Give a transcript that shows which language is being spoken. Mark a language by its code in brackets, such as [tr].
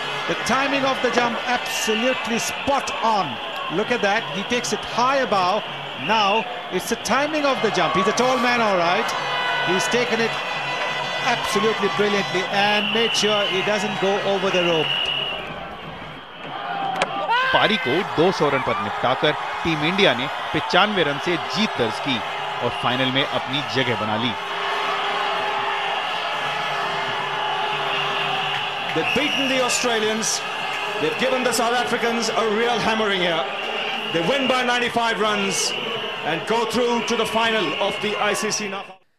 [en] The timing of the jump, absolutely spot on. Look at that. He takes it high above. Now, it's the timing of the jump. He's a tall man, all right. He's taken it absolutely brilliantly and made sure he doesn't go over the rope. [hi] पारी को 200 run पर निपटाकर team India ने 95 run से जीत दर्ज की और final में अपनी जगह बना ली। [en] They've beaten the Australians. They've given the South Africans a real hammering here. They win by 95 runs and go through to the final of the ICC Knockout.